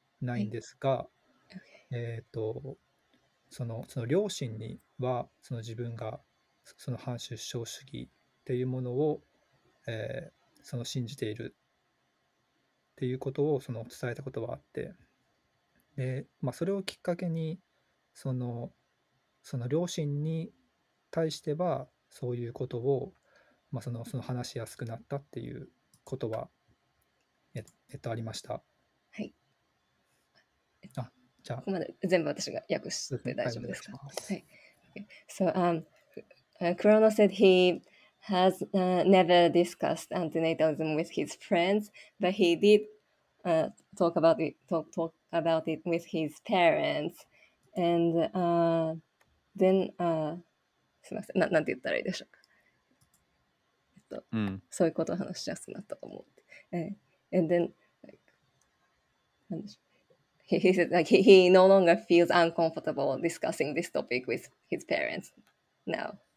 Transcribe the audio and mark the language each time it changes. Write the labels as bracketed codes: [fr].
[ja] ないんですが、はい、その両親にはその自分がその反出生主義っていうものを、その信じているっていうことをその伝えたことはあって、で、まあ、それをきっかけにその両親に対してはそういうことを、まあ、その話しやすくなったっていうことはありました。はい、ここまで全部私が訳して大丈夫ですか。 [en] So, Kurono said he has never discussed antinatalism with his friends, but he did talk about it with his parents. And then, [ja] すみません、なんて言ったらいいでしょうか。そういうことを話しやすくなったと思う。 [en] And then, [ja] なんでしょう。 [en] He said, like, he no longer feels uncomfortable discussing this topic with his parents now.